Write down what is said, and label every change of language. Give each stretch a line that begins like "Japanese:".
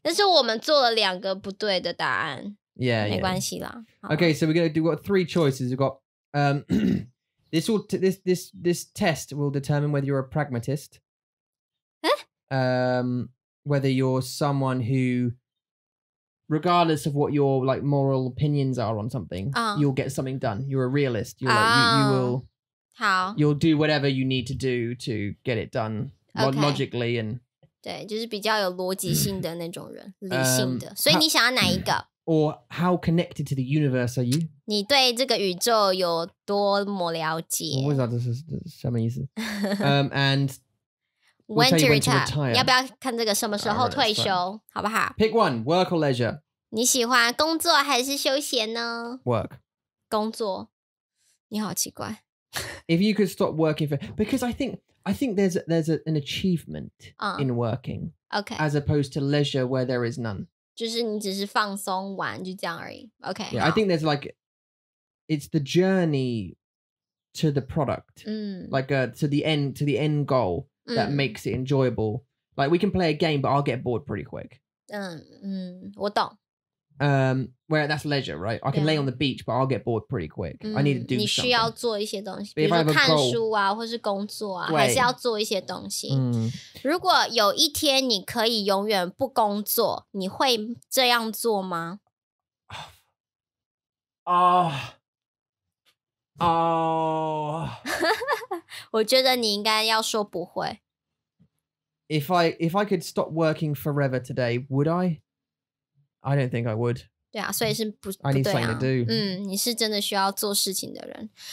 Chinese: 但是我们做了两个不对的答案
English: Yeah,
Chinese: 没关系啦
English: Okay, so we're gonna do, we've got three choices We've got this test will determine whether you're a pragmatist Whether you're someone who Regardless of what your like moral opinions are on something、You'll get something done You're a realist You're like, you will
Chinese: 好
English: You'll do whatever you need to do to get it done、 okay. logically and
Chinese: 对，就是比较有逻辑性的那种人，理性的。所以你想要哪一个
English: ？Or how connected to the universe are you？
Chinese: 你对这个宇宙有多么了解？我不知道这是什么意思。
English: and when to retire？
Chinese: 要不要看这个什么时候退休？
English: Right,
Chinese: 好不好
English: ？Pick one: work or leisure。
Chinese: 你喜欢工作还是休闲呢
English: ？Work。
Chinese: 工作。你好奇怪。
English: If you could stop working for, because I think there's an achievement in working, okay, as opposed to leisure where there is none.
Chinese: 就是你只是放松玩就这样而已 Okay,
English: yeah, I think there's like, it's the journey to the product, to the end goal that makes it enjoyable. Like we can play a game, but I'll get bored pretty quick.
Chinese: 我懂。
English: Where that's leisure, right? I can lay on the beach, but I'll get bored pretty quick. I need to do something.
Chinese: 你需要做一些东西，比如说看书啊，或是工作啊，还是要做一些东西。如果有一天你可以永远不工作，你会这样做吗？啊，Oh. 我觉得你应该要说不会。
English: If I could stop working forever today, would I? I don't think I would.
Chinese: 对啊，所以是不对啊。
English: I need something to do.
Chinese: 嗯，你是真的需要做事情的人。